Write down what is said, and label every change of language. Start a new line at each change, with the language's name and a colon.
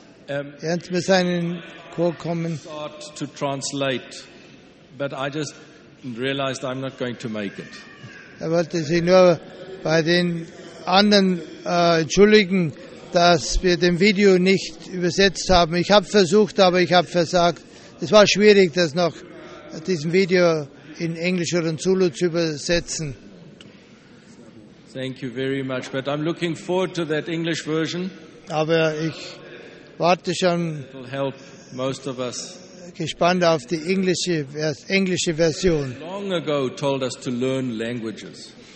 German: Ernst mit seinem Chor kommen.
English: I thought to translate, but I just realized I'm not going to make it.
German: Er wollte sich nur bei den anderen entschuldigen, dass wir dem Video nicht übersetzt haben. Ich habe versucht, aber ich habe versagt. Es war schwierig, das noch diesem Video in Englisch oder in Zulu zu übersetzen.
English: Thank you very much, but I'm looking forward to that English version.
German: Aber ich warte schon.
English: It'll help most of us.
German: Gespannt auf die englische Version.
English: Long ago told us to learn languages.